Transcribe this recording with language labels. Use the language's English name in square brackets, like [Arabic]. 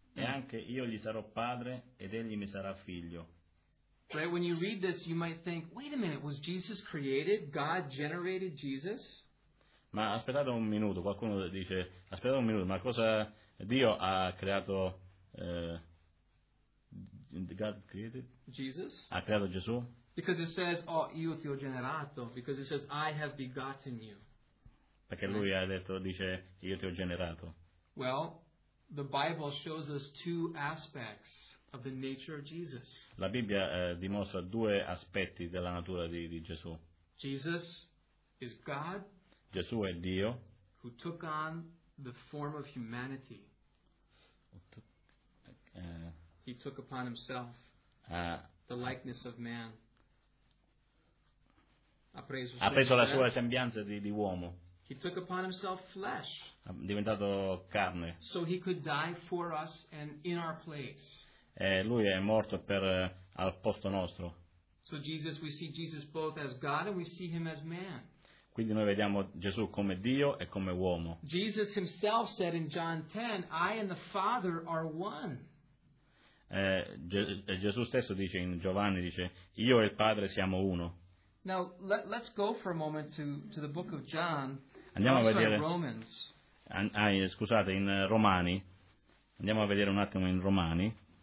[Italian] Mm-hmm. E anche io gli sarò padre ed egli mi sarà figlio. [English] Right, when you read this, you might think, wait a minute, was Jesus created? God generated Jesus? [Italian] Ma aspettate un minuto, qualcuno dice, aspettate un minuto, ma cosa Dio ha creato? [English] God created Jesus? [Italian] Ha creato Gesù? [English] Because it says, oh, [Italian] io ti ho generato, [English] because it says, I have begotten you. [Italian] Perché lui ha detto, dice, io ti ho generato. [English] Well, the Bible shows us two aspects of the nature of Jesus. [Italian] La Bibbia dimostra due aspetti della natura di Gesù. [English] Jesus is God. [Italian] Gesù è Dio. [English] Who took on the form of humanity. He took upon himself the likeness of man. [Italian] Ha preso la sua sembianza di uomo. [English] He took upon himself flesh. [Italian] Ha diventato carne. [English] So he could die for us and in our place. [Italian] Lui è morto per al posto nostro. [English] So Jesus, we see Jesus both as God and we see him as man. [Italian] Quindi noi vediamo Gesù come Dio e come uomo. [English] Jesus himself said in John 10, I and the Father are one. [Italian] Gesù stesso dice in Giovanni, dice, io e il Padre siamo uno. [English] Now, let's go for a moment to the book of John. [Italian] Andiamo a vedere, [English] Romans. [Italian] Scusate, in Romani. Andiamo a vedere un attimo in Romani.